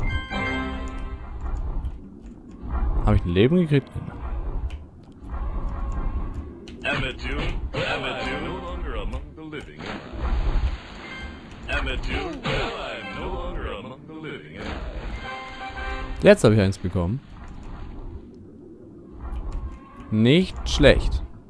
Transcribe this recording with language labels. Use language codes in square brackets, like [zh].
[de] Habe ich ein Leben gekriegt? [en] Amateur, Amateur, no longer among the living. Amateur, well, I'm no longer among the living. [de] Jetzt habe ich eins bekommen. Nicht schlecht.